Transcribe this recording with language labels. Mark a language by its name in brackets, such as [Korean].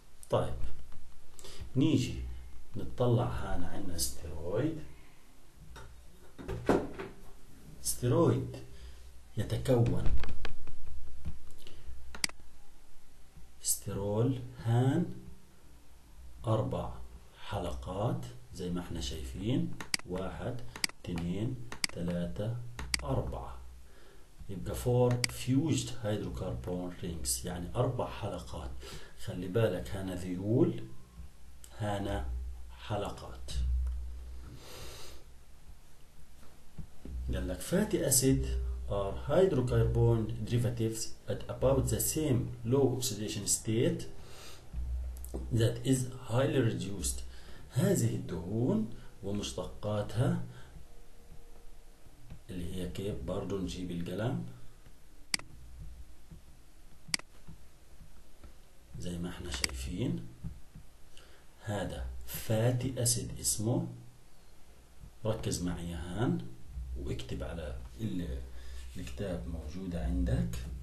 [Arabic] طيب نيجي نتطلع، هان عندنا استيرويد، استيرويد يتكون استيرول هان 4 حلقات زي ما احنا شايفين، 1 2 3 4، يبقى [English] 4 fused hydrocarbon rings، [Arabic] يعني 4 حلقات. خلي بالك هنا ذيول، هنا حلقات، قال لك [English] fatty acid are hydrocarbon derivatives at about the same low oxidation state that is highly reduced. [Arabic] هذه الدهون ومشتقاتها اللي هي كيف، برضو نجيب القلم زي ما احنا شايفين، هذا فاتي اسيد اسمه، ركز معي هان واكتب على الكتاب موجود عندك.